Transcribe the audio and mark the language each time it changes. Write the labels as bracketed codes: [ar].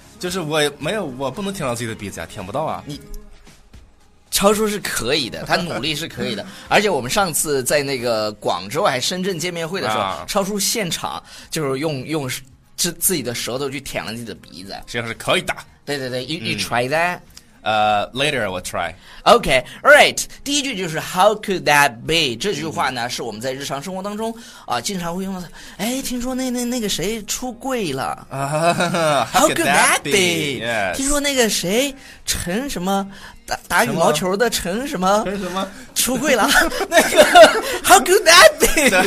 [zh] 就是我没有，我不能舔到自己的鼻子啊，舔不到啊。你超叔是可以的，他努力是可以的。而且我们上次在那个广州还深圳见面会的时候，超叔现场就是用自己的舌头去舔了自己的鼻子，实际上是可以的。 [en] 对对对 ，you try that. Later I will try. Okay, all right. [zh] 第一句就是 [en] How could that be? [zh] 这句话呢，是我们在日常生活当中啊，经常会用的。哎，听说那个谁出柜了 [en] 啊？How could that be? Yes. [zh] 听说那个谁陈什么打羽毛球的陈什么出柜了？ [en] 那个 How could that be?